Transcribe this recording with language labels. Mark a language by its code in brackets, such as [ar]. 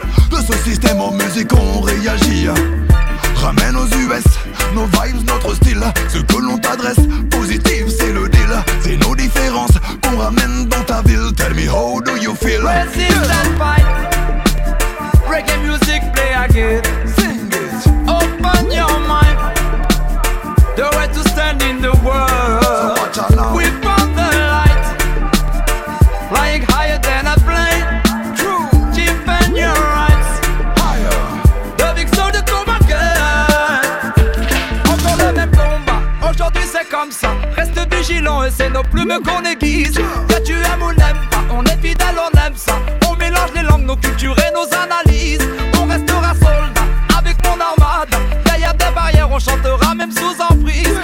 [fr] De ce système en musique on réagit. Ramène aux US nos vibes, notre style. Ce que l'on t'adresse, positif, c'est le deal. C'est nos différences qu'on ramène dans ta ville. [en] Tell me how do you feel? Resist and fight. Reggae music play again. Sing it. Open your mind. The way to stand in the world. We found the light, flying higher than a plane. True, defend your rights. Higher, the big soldier to my gun. [fr] Encore le même combat. Aujourd'hui c'est comme ça. Reste vigilant et c'est nos plumes qu'on aiguise. Que tu aimes ou n'aimes pas, on est fidèle, on aime ça. On mélange les langues, nos cultures et nos analyses. On restera soldat avec mon armada. Derrière des barrières, on chantera même sous emprise.